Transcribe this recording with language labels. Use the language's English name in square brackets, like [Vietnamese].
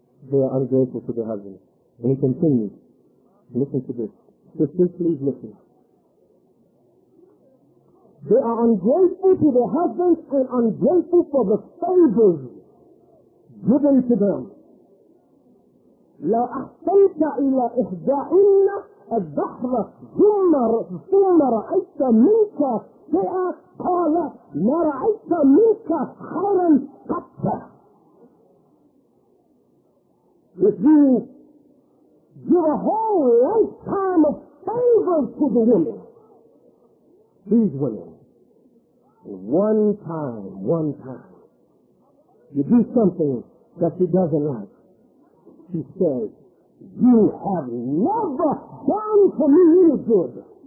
[English] They are ungrateful to their husbands. And he continues, listen to this. Sisters, please listen. They are ungrateful to their husbands and ungrateful for the favors given to them. [Arabic] لو أحسنت إلى إحدائنا الظهر ثم رأيت منك شيئا قال ما رأيت منك خيرا قط. [English] If you give a whole lifetime of favor to the women, these women, one time, you do something that she doesn't like, she says, you have never done for me any good.